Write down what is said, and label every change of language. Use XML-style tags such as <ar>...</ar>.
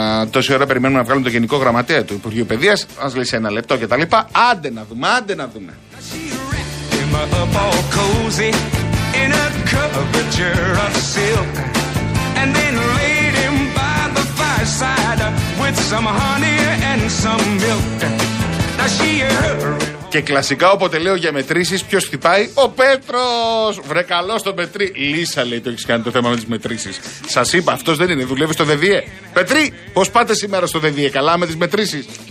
<el>Τόση ώρα περιμένουμε να βγάλουμε τον Γενικό Γραμματέα του Υπουργείου Παιδείας, ας λέει σε ένα λεπτό και τα λοιπά, άντε να δούμε.</el> <en>Up all cozy in a curvature of silk, and then laid him by the fireside with some honey and some milk. Now she heard.</en> <el>Και κλασικά όποτε λέω για μετρήσεις, ποιος χτυπάει? Ο Πέτρος! Βρε καλό στον Πετρί! Λύσα λέει το έχεις κάνει το θέμα με τις μετρήσεις. Σας είπα, αυτός δεν είναι, δουλεύει στο ΔΔΕ. Πετρί, πώς πάτε σήμερα στο ΔΔΕ, καλά με τις μετρήσεις?</el>